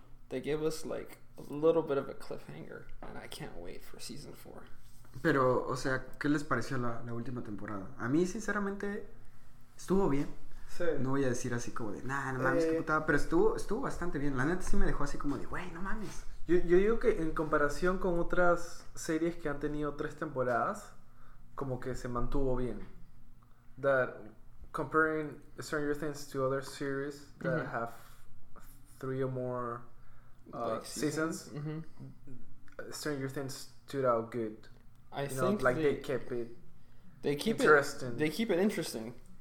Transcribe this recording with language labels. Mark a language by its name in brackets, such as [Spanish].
[English] They gave us like a little bit of a cliffhanger, and I can't wait for season 4. [Spanish] Pero, o sea, ¿qué les pareció la última temporada? A mí, sinceramente, estuvo bien. Sí. No voy a decir así como de, nah, no mames, qué putada. Pero estuvo bastante bien. La neta sí me dejó así como de, güey, no mames. Yo digo que en comparación con otras series que han tenido 3 temporadas, como que se mantuvo bien. [English] That comparing Stranger Things to other series that have 3 or more like seasons, Stranger Things stood out good. They keep it interesting.